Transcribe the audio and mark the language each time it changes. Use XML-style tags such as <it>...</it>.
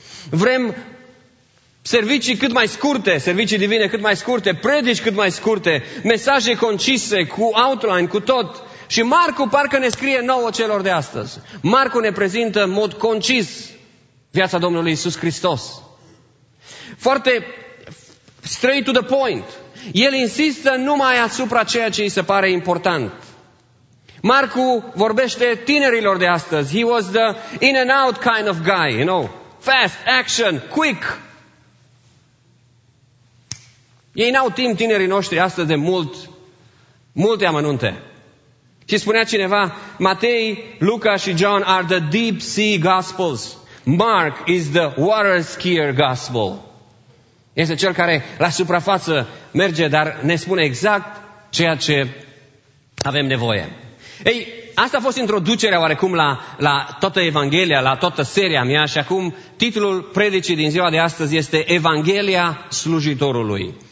<ro>Vrem servicii cât mai scurte, servicii divine cât mai scurte, predici cât mai scurte, mesaje concise, cu outline, cu tot. Și Marcu parcă ne scrie nouă celor de astăzi. Marcu ne prezintă în mod concis viața Domnului Iisus Hristos. Foarte</ro> <en>straight to the point.</en> <ro>El insistă numai asupra ceea ce îi se pare important. Marcu vorbește tinerilor de astăzi.</ro> <en>He was the in and out kind of guy, you know. Fast, action, quick.</en> <ro>Ei n-au timp, tinerii noștri, astăzi de multe amănunte. Și spunea cineva,</ro> <en>Matei, Luca și John are the deep sea gospels. Mark is the water skier gospel.</en> <ro>Este cel care la suprafață merge, dar ne spune exact ceea ce avem nevoie. Ei, asta a fost introducerea oarecum la toată Evanghelia, la toată seria mea și acum titlul predicii din ziua de astăzi este Evanghelia slujitorului.</ro>